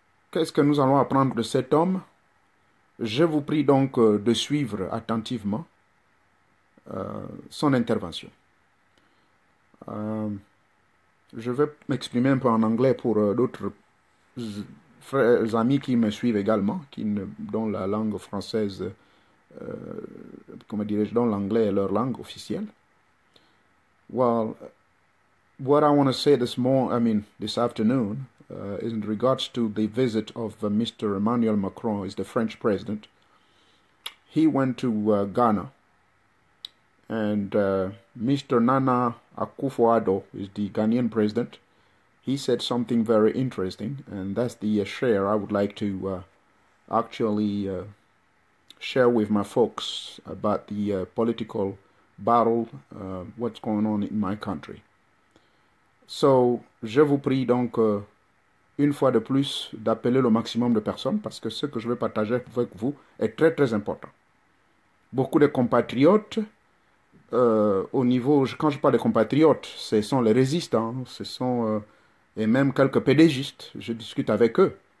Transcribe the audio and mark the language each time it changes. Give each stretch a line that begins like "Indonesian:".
French: Qu'est-ce que nous allons apprendre de cet homme? Je vous prie donc de suivre attentivement son intervention. Je vais m'exprimer un peu en anglais pour d'autres frères amis qui me suivent également, dont la langue française, comment dirais-je, dont l'anglais est leur langue officielle.
English: Well, what I want to say this morning, this afternoon. In regards to the visit of Mr. Emmanuel Macron, is the French president. He went to Ghana, and Mr. Nana Akufo-Addo is the Ghanaian president. He said something very interesting, and that's the share I would like to actually share with my folks about the political battle, what's going on in my country.
French: So, je vous prie donc. Une fois de plus, d'appeler le maximum de personnes parce que ce que je vais partager avec vous est très très important. Beaucoup de compatriotes, au niveau, quand je parle de compatriotes, ce sont les résistants, ce sont, et même quelques pédégistes, je discute avec eux.